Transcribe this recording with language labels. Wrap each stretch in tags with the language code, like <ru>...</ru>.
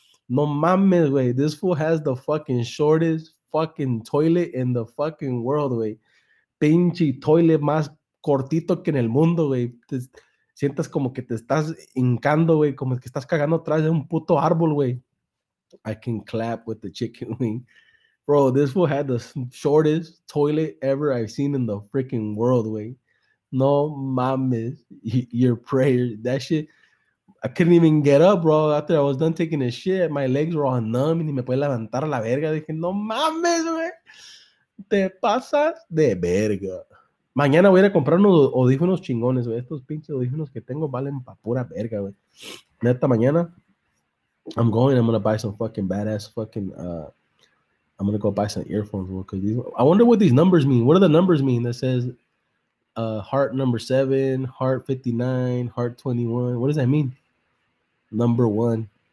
<es>No mames, güey.</es> <en>This fool has the fucking shortest fucking toilet in the fucking world, güey.</en> <es>Pinche toilet más cortito que en el mundo, güey. Sientas como que te estás hincando, güey. Como que estás cagando atrás de un puto árbol, güey.</es> <en>I can clap with the chicken wing. Bro, this fool had the shortest toilet ever I've seen in the freaking world, güey.</en> <es>No mames,</es> <en>your prayer, that shit, I couldn't even get up, bro, after I was done taking a shit, my legs were all numb,</en> <es>ni me puede levantar a la verga, dije, no mames, güey, te pasas de verga. Mañana voy a ir a comprar unos audífonos chingones, güey, estos pinches audífonos que tengo valen pa' pura verga, güey. Neta, mañana,</es> <en>I'm gonna buy some fucking badass fucking, I'm gonna go buy some earphones, bro, because these, I wonder what these numbers mean, what do the numbers mean that says, heart number 7, heart 59, heart 21. What does that mean? Number 1.</en>